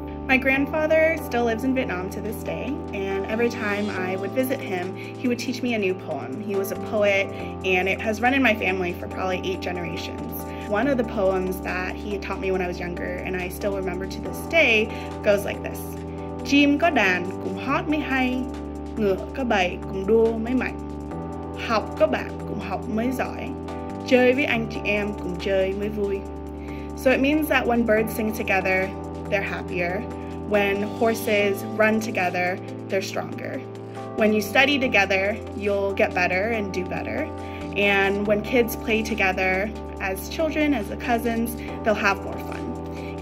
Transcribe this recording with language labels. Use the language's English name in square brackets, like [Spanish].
[English] My grandfather still lives in Vietnam to this day, and every time I would visit him, he would teach me a new poem. He was a poet, and it has run in my family for probably 8 generations. One of the poems that he had taught me when I was younger, and I still remember to this day, goes like this. [Vietnamese] Chim có đàn cũng hót mới hay, ngựa có bầy cũng đua mới mạnh, học có bạn cũng học mới giỏi, chơi với anh chị em cũng chơi mới vui. [English] So it means that when birds sing together, they're happier. When horses run together, they're stronger. When you study together, you'll get better and do better. And when kids play together as children, as the cousins, they'll have more fun.